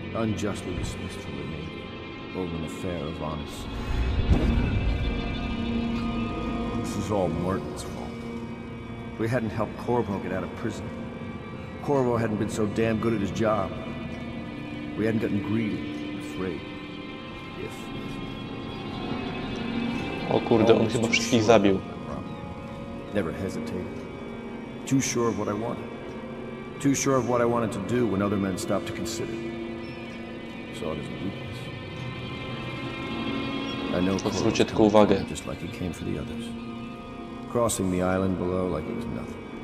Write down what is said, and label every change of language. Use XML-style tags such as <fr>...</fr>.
<en>Unjustly dismissed from the Navy over an affair of honesty. This is all Martin's fault. We hadn't helped Corvo get out of prison. Corvo hadn't been so damn good at his job. We hadn't gotten greedy, afraid.</en> <pl>O kurde, on chyba wszystkich zabił.</pl> <en>Never hesitated. Too sure of what I wanted. Too sure of what I wanted to do when other men stopped to consider. Saw it as a weakness. I know Corvo's coming just like he came for the others. Crossing the island below like it was nothing.</en>